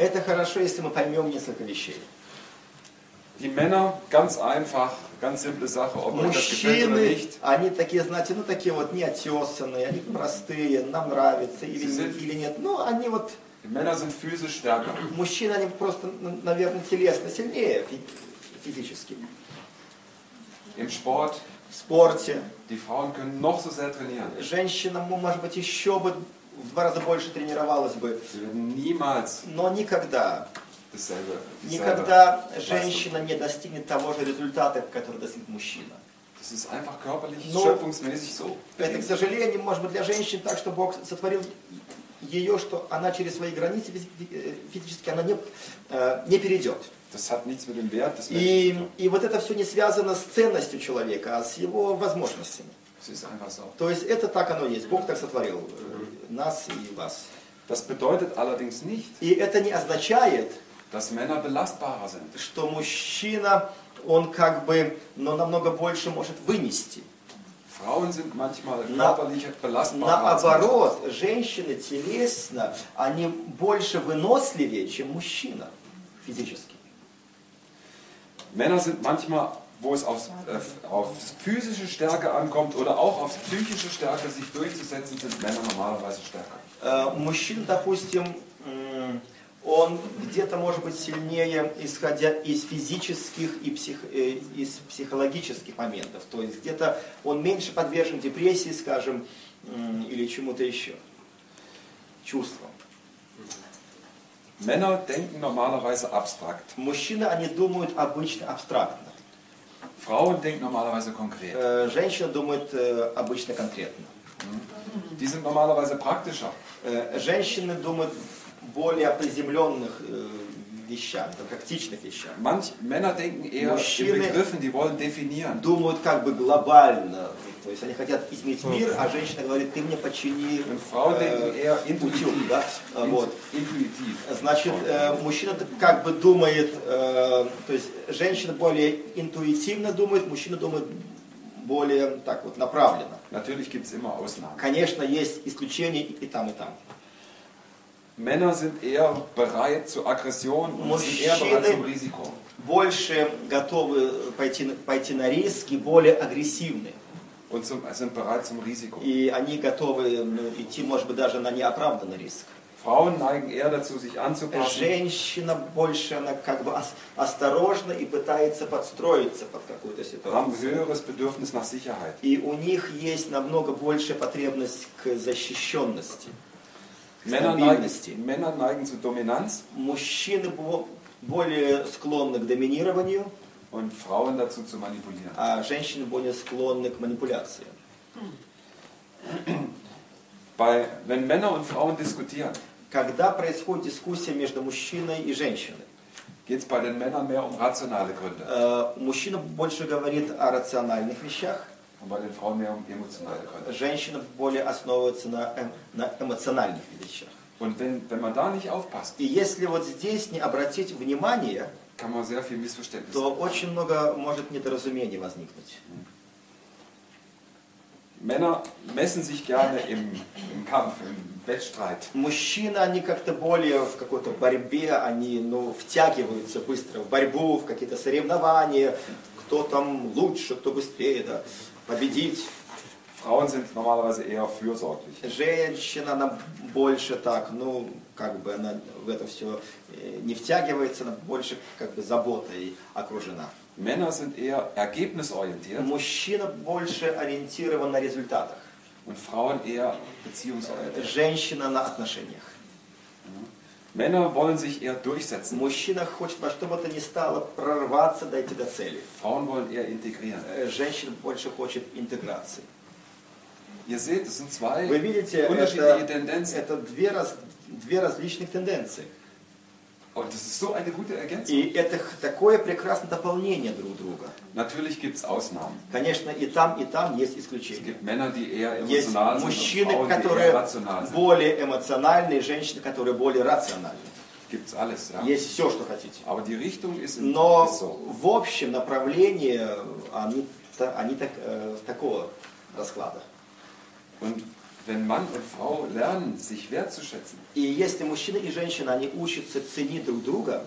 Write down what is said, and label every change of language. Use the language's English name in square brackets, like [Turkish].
[Russian] Это хорошо, если мы поймем несколько вещей. [German] Die Männer, ganz einfach, ganz simple Sache, ob euch das gefällt oder nicht. [Russian] Они такие, знаете, ну такие вот неотесанные, они простые, нам нравится или нет. Ну, они вот... [German] Die Männer sind physisch stärker. [Russian] Мужчины, они просто, наверное, телесно сильнее физически. [German] Im Sport. [Russian] В спорте. [German] Die Frauen können noch so sehr trainieren. [Russian] Женщина, может быть, еще бы в два раза больше тренировалась бы. [German] Niemals. [Russian] Но никогда... [German] Dasselbe. [Russian] Никогда женщина не достигнет того же результата, который достигнет мужчина. [German] Das ist einfach körperlich, schöpfungsmäßig so. [Russian] Это, к сожалению, может быть для женщин так, что Бог сотворил ее, что она через свои границы физически она не перейдет. [German] Das hat nichts mit dem Wert, [Russian] и вот это все не связано с ценностью человека, а с его возможностями. Das ist einfach so. То есть это так оно есть. Бог так сотворил нас и вас. [German] Das bedeutet allerdings nicht, [Russian] и это не означает, [German] dass Männer belastbarer sind. [Russian] Что мужчина, он как бы, но намного больше может вынести. [German] Frauen sind manchmal körperlich belastbarer. [Russian] Наоборот, женщины телесно, они больше выносливее, чем мужчина физически. [German] Männer sind manchmal, wo es aufs physische Stärke ankommt oder auch aufs psychische Stärke sich durchzusetzen, sind Männer normalerweise stärker. [Russian] Мужчина, допустим, он где-то может быть сильнее, исходя из физических и из психологических моментов. То есть где-то он меньше подвержен депрессии, скажем, или чему-то еще. Чувствам. [German] Männer denken normalerweise abstrakt. [Russian] Мужчины, они думают обычно абстрактно. [German] Frauen denken normalerweise konkret. [Russian] Женщина думает обычно конкретно. [German] Die sind normalerweise praktischer. [Russian] Женщины думают более приземленных вещах, да, практичных вещах. [German] Manch Männer denken eher [Russian] Мужчины [German] in Begriffen, die wollen definieren. [Russian] Думают как бы глобально, то есть они хотят изменить мир, а женщина говорит, ты мне почини путем. Да? Вот. Значит, мужчина как бы думает, то есть женщина более интуитивно думает, мужчина думает более так вот направлено. [German] Natürlich gibt's immer Ausnahmen. [Russian] Конечно, есть исключения и там, и там. [German] Männer sind eher bereit zur Aggression und sind eher bereit zum Risiko. [Russian] Больше готовы пойти на риски, более агрессивны. [German] Und sind bereit zum Risiko. [Russian] И они готовы идти, может быть, даже на неоправданный риск. [German] Frauen neigen eher dazu, sich anzupassen. [Russian] Женщина больше, она как бы осторожна и пытается подстроиться под какую-то ситуацию. [German] Haben höheres Bedürfnis nach Sicherheit. [Russian] И у них есть намного больше потребность к защищенности. [German] Männer neigen zu Dominanz. [Russian] Мужчины более склонны к доминированию. [German] Und Frauen dazu zu manipulieren. [Russian] А женщины более склонны к манипуляции. [German] Wenn Männer und Frauen diskutieren, [Russian] когда происходит дискуссия между мужчиной и женщиной, [German] geht's bei den Männern mehr um rationale Gründe. [Russian] Мужчина больше говорит о рациональных вещах. [German] Und bei den Frauen mehr um emotionale Gründe. [Russian] Женщина более основывается на эмоциональных вещах. [German] Und wenn man da nicht aufpasst, [Russian] и если вот здесь не обратить внимание, [German] kann man sehr viel missverständnis [Russian] то [German] haben. [Russian] Очень много может недоразумений возникнуть. [German] Männer messen sich gerne im Kampf, im Wettstreit. [Russian] Мужчины, они как-то более в какой-то борьбе, они, ну, втягиваются быстро в борьбу, в какие-то соревнования, кто там лучше, кто быстрее, да, победить. [German] Frauen sind normalerweise eher fürsorglich. [Russian] Женщина, она больше так, ну, как бы она в это все не втягивается, она больше как бы заботой окружена. [German] Männer sind eher ergebnisorientiert. [Russian] Мужчина больше ориентирован на результатах. [German] Und Frauen eher beziehungsorientiert. [Russian] Женщина на отношениях. [German] Männer wollen sich eher durchsetzen. [Russian] Мужчина хочет во что бы то ни стало прорваться, дойти до цели. [German] Frauen wollen eher integrieren. [Russian] Женщина больше хочет интеграции. [German] Ihr seht, es sind zwei [Russian] Вы видите, [German] unterschiedliche Tendenzen. [Russian] Это две различных тенденции. [German] Und das ist so eine gute Ergänzung. [Russian] И это такое прекрасное дополнение друг друга. [German] Natürlich gibt's Ausnahmen. [Russian] Конечно, и там есть исключения. [German] Es gibt Männer, die eher emotional sind, [Russian] есть мужчины, [German] und Frauen, [Russian] которые [German] die eher rational sind. [Russian] Более эмоциональные, женщины, которые более рациональны. [German] Gibt's alles, ja. [Russian] Есть все, что хотите. [German] Aber die Richtung ist in, [Russian] Но [German] ist so. [Russian] В общем направлении они так, такого расклада. [German] Und wenn Mann und Frau lernen, sich wertzuschätzen, [Russian] и если мужчина и женщина, они учатся ценить друг друга,